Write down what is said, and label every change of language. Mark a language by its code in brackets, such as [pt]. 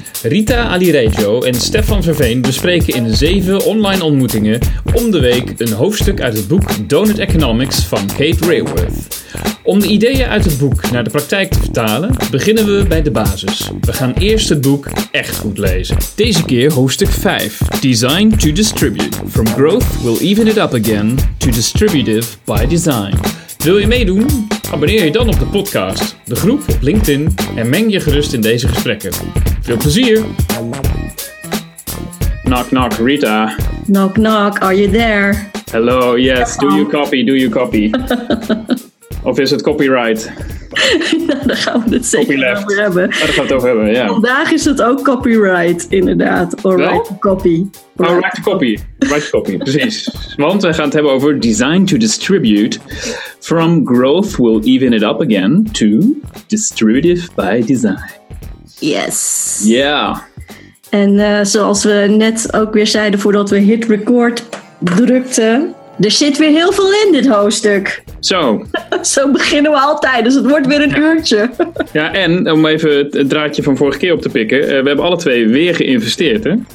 [nl] Rita Alireggio en Stefan Verveen bespreken in 7 online ontmoetingen om de week een hoofdstuk uit het boek Donut Economics van Kate Raworth. Om de ideeën uit het boek naar de praktijk te vertalen, beginnen we bij de basis. We gaan eerst het boek echt goed lezen. Deze keer hoofdstuk 5. Design to distribute. [en] From growth will even it up again to distributive by design. [nl] Wil je meedoen? Abonneer je dan op de podcast, de groep op LinkedIn en meng je gerust in deze gesprekken. Veel plezier! [en] Knock, knock, Rita. Knock, knock, are you there? Hello, yes, do you copy? [nl] Of is het copyright? Nou, daar gaan we het zeker copyleft. Over hebben. Daar gaan we het over hebben, ja. Vandaag is het ook copyright, inderdaad. [en] Or well? Write to copy. Oh, write to copy. Write to copy, precies. [nl] Want we gaan het hebben over design to distribute. [en] From growth will even it up again to distributive by design. Yes. Ja. Yeah. [nl] En zoals we net ook weer zeiden voordat we hit record drukten. Er zit weer heel veel in dit hoofdstuk. Zo. Zo beginnen we altijd, dus het wordt weer een uurtje. Ja, en om even het draadje van vorige keer op te pikken. We hebben alle twee weer geïnvesteerd, hè?